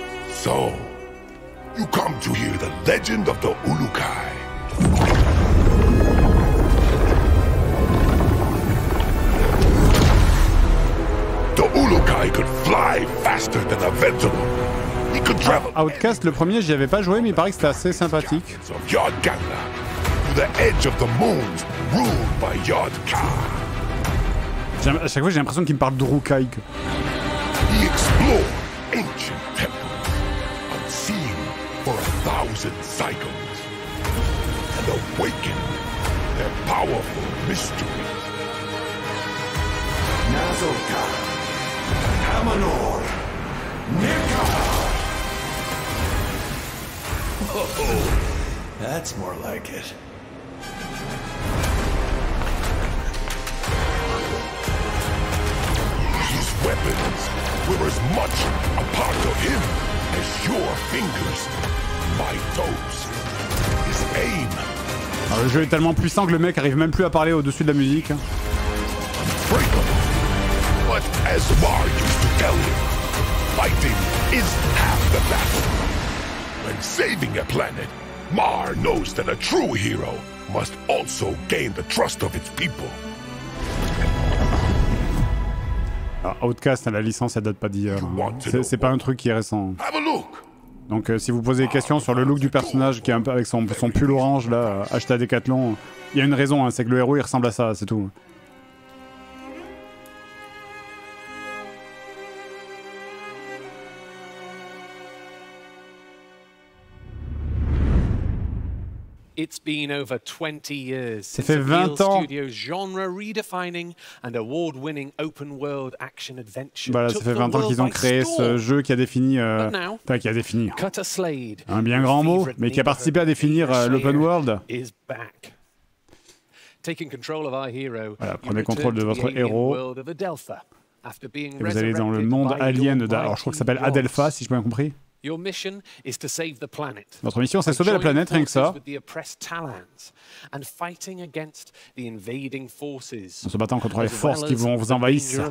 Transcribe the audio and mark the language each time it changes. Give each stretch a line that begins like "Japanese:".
English: So, you come to hear the legend of the Ulukai. The Ulukai could fly faster than a Ventolon. He could travel.
French: Outcast, le premier, j'y avais pas joué, mais il paraît que c'était assez sympathique.
English: Of Yod-Gala, to the edge of the moon, ruled by Yod-Kai.
French: À chaque fois, j'ai l'impression qu'il me parle de Rukai.
English: He explored ancient temples, unseen for a thousand cycles, and awakened their powerful mysteries. Nazoka, Kamenor, Nika. Oh, that's more like it. Weapons were as much a part of him as your fingers, my toes, his aim.
French: Alors, le jeu est tellement puissant que le mec arrive même plus à parler au-dessus de la musique.
English: Unbreakable. But as Mar used to tell him, fighting is half the battle. When saving a planet, Mar knows that a true hero must also gain the trust of its people.
French: Outcast, la licence, elle date pas d'hier. C'est pas un truc qui est récent. Donc, si vous posez des questions sur le look du personnage qui est un peu avec son pull orange là, acheté à Decathlon, il y a une raison, hein, c'est que le héros il ressemble à ça, c'est tout.
English: It's been over 20 years.
French: Ça fait 20 ans.
English: Genre redefining and award-winning open world action adventure.
French: Voilà, ça fait 20 ans qu'ils ont créé ce jeu qui a défini
English: Cut a Slade.
French: Un bien grand mot, mais qui a participé à définir l'open world.
English: Taking control of our hero.
French: Voilà, prenez contrôle de votre héros. Et vous allez dans le monde alien de alors je crois que ça s'appelle Adelpha si j'ai bien compris.
English: Your mission is to save the planet.
French: Votre mission, c'est sauver la planète, rien que ça.
English: With the oppressed Talans and fighting against the invading forces.
French: En se battant contre les forces qui vont vous envahir.